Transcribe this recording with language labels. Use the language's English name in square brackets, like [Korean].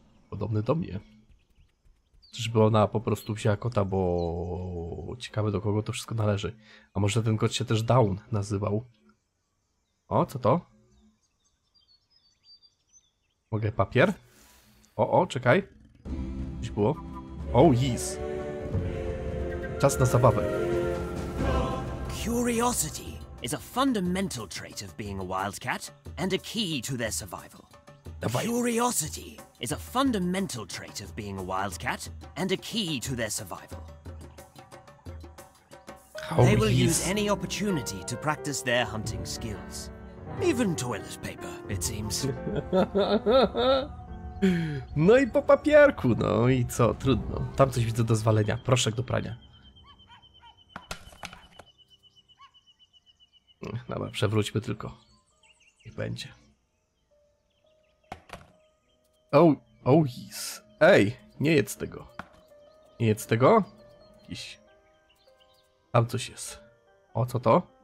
[Polish] Podobny do mnie. Czyżby ona po prostu wzięła kota, bo ciekawe do kogo to wszystko należy. A może ten kot się też Dawn nazywał? O, co to? Mogę papier? O, czekaj. Coś było. [English] Oh yes. [Polish] Czas na zabawę. [English] Curiosity is a fundamental trait of being a wildcat and a key to their survival. Curiosity is a fundamental trait of being a wildcat and a key to their survival. They will use any opportunity to practice their hunting skills. Even toilet paper, it seems. [Polish] No i po papierku, no i co, trudno. Tam coś widzę do zwalenia, proszek do prania. Dobra, przewróćmy tylko. Niech będzie. Oh, ej, nie jedz tego. Nie jedz tego? Jakiś... Tam coś jest. O, co to?